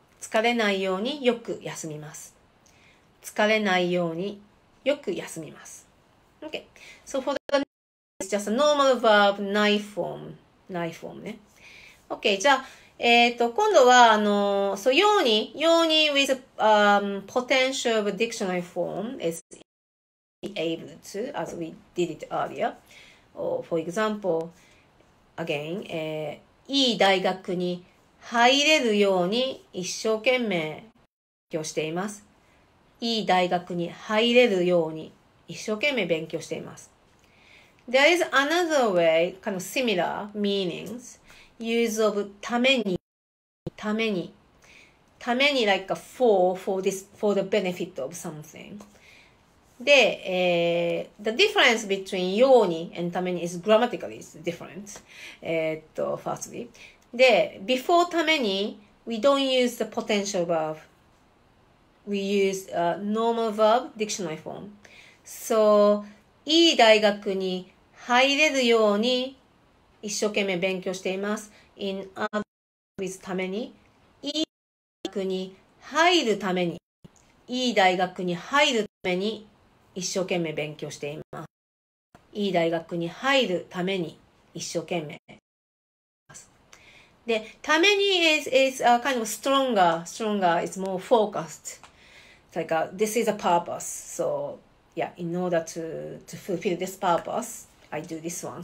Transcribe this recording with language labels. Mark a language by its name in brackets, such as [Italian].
[Japanese] 疲れないようによく休みます。疲れないようによく休みます。 [English] Okay. So for the next, it's just a normal verb, night form. Night form ね。Okay. [Japanese] じゃあ、今度は、 [English] so, ように with a, potential of a dictionary form is able to, as we did it earlier. Or, for example, again, [Japanese] いい大学に入れるように一生懸命勉強しています。いい大学に入れるように一生懸命勉強しています。 [English] There is another way, kind of similar meanings, use of ために、ために、ために like a for the benefit of something. で、the difference between ように and ために is grammatically different. Firstly. で、before ために、we don't use the potential verb. We use a normal verb, dictionary form. [Japanese] So, いい大学に入れるように一生懸命勉強しています。 [English] In other with [Japanese] ために、いい大学に入るために、いい大学に入るために一生懸命勉強しています。いい大学に入るために一生懸命。 [English] で、ために is a kind of stronger, it's more focused. It's like, a, this is a purpose. So, yeah, in order to fulfill this purpose, I do this one.